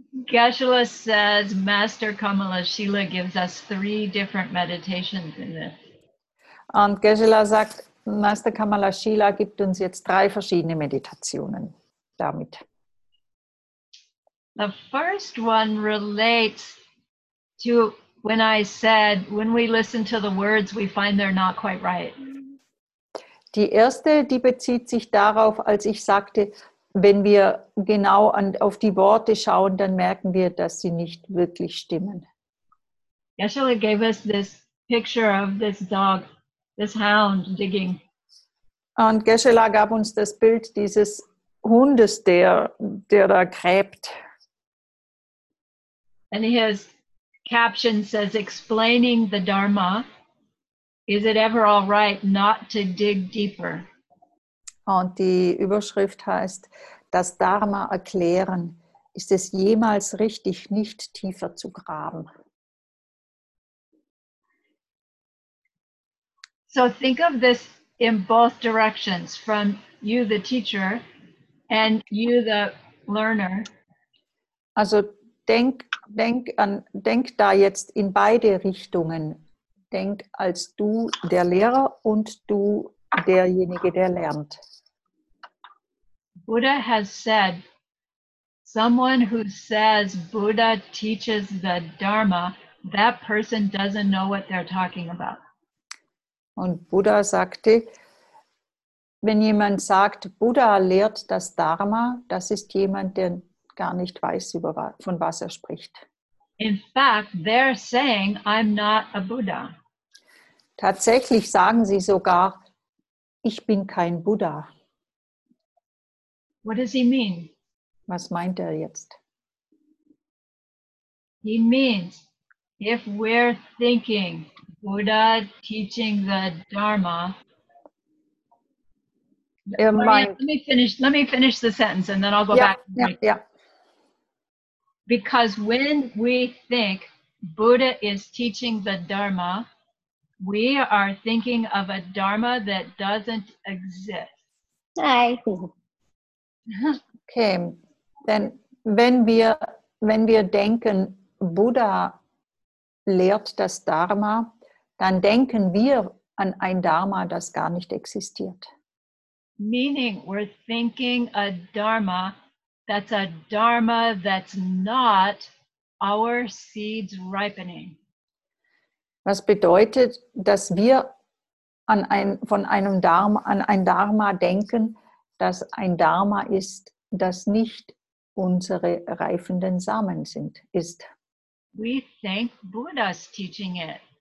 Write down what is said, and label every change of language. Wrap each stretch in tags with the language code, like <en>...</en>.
<en>Geshe-la says, Master Kamala Shila gives us three different meditations in this.</en> <de>Und Geshe-la sagt, Master Kamala Shila gibt uns jetzt drei verschiedene Meditationen damit.</de> <en>The first one relates to when I said, when we listen to the words, we find they're not quite right.</en> <de>Die erste, die bezieht sich darauf, als ich sagte, wenn wir genau auf die Worte schauen, dann merken wir, dass sie nicht wirklich stimmen.</de> <en>Geshe-la gave us this picture of this dog, this hound digging.</en> <de>Und Geshe-la gab uns das Bild dieses Hundes, der da gräbt.</de> <en>And his caption says, explaining the Dharma, is it ever all right not to dig deeper?</en> <de>Und die Überschrift heißt, das Dharma erklären, ist es jemals richtig, nicht tiefer zu graben?</de> <en>So think of this in both directions, from you the teacher and you the learner.</en> <de>Also denk da jetzt in beide Richtungen. Denk als du der Lehrer und du derjenige, der lernt.</de> <en>Buddha has said, someone who says Buddha teaches the Dharma, that person doesn't know what they're talking about.</en> <de>Und Buddha sagte, wenn jemand sagt, Buddha lehrt das Dharma, das ist jemand, der gar nicht weiß, von was er spricht.</de> <en>In fact, they're saying, I'm not a Buddha.</en> <de>Tatsächlich sagen sie sogar, ich bin kein Buddha.</de> <en>What does he mean?</en> <de>Was meint er jetzt?</de> <en>He means, if we're thinking Buddha teaching the Dharma. Let me finish the sentence and then I'll go back. Yeah. Because when we think Buddha is teaching the Dharma, we are thinking of a Dharma that doesn't exist. Hi.</en> <de>Okay, denn wenn wir denken, Buddha lehrt das Dharma, dann denken wir an ein Dharma, das gar nicht existiert.</de> <en>Meaning, we're thinking a Dharma that's a Dharma that's not our seeds ripening.</en> <de>Was bedeutet, dass wir an ein Dharma denken, dass ein Dharma ist, das nicht unsere reifenden Samen sind, ist.</de> <en>We think Buddha's teaching it.</en>